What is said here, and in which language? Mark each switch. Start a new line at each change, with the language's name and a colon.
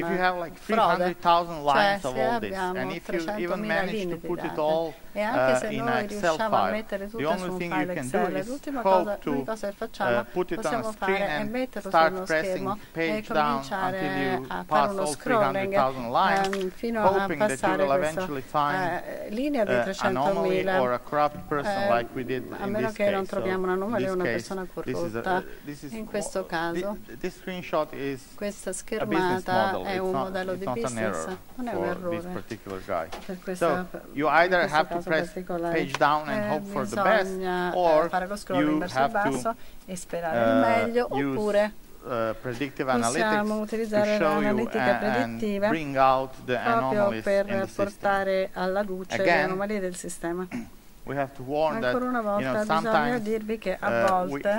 English: if you have like 300,000 lines of all this, and if you even manage to put it all in an Excel file. The only thing you can do is hope to put it on a screen and start pressing page down until you pass all 300,000 lines, hoping that you will eventually find an anomaly or a corrupt person like we did in this case.
Italian: A meno che non troviamo un'anomalia o una persona corrotta in questo caso. caso.
English: This screenshot is
Italian: questa schermata è un modello di business, non è un errore per questo.
English: So you either have to press page down and hope for the best, or
Italian: fare lo scroll in basso e sperare il meglio, oppure predictive possiamo utilizzare l'analitica predittiva proprio per portare alla luce le anomalie del sistema.
English: We have to warn
Italian: ancora una volta,
English: that, you know,
Italian: bisogna dirvi che a volte